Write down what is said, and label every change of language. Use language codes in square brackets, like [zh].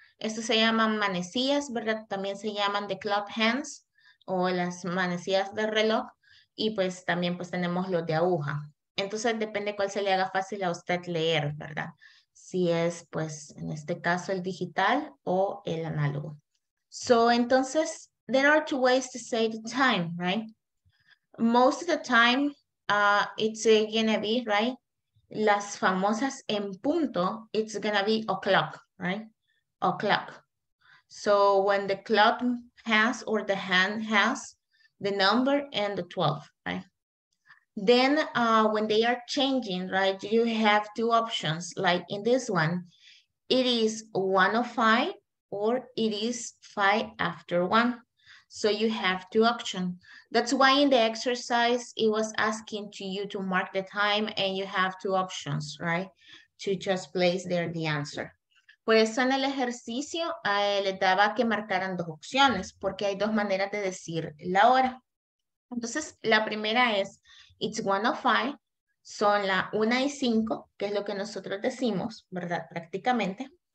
[es] Esto se llaman manecillas, ¿verdad? También se llaman [en] the clock hands [es] o las manecillas de reloj. Y pues también pues tenemos los de aguja. Entonces depende cuál se le haga fácil a usted leer, ¿verdad? Si es pues en este caso el digital o el análogo. [en] So, entonces, there are two ways to say the time, right? Most of the time, it's gonna be, right? [es] Las famosas en punto, [en] it's gonna be o'clock, right? O'clock. So when the clock has or the hand has the number and the 12, right? Then when they are changing, right? You have two options, like in this one, it is 1:05 or it is 1:05. So you have two options. That's why in the exercise, it was asking to you to mark the time and you have two options, right? To just place there the answer. [es] Por eso en el ejercicio le daba que marcaran dos opciones porque hay dos maneras de decir la hora. Entonces, la primera es, [en] it's 1:05, [es] son la 1:05, que es lo que nosotros decimos, ¿verdad? Prácticamente.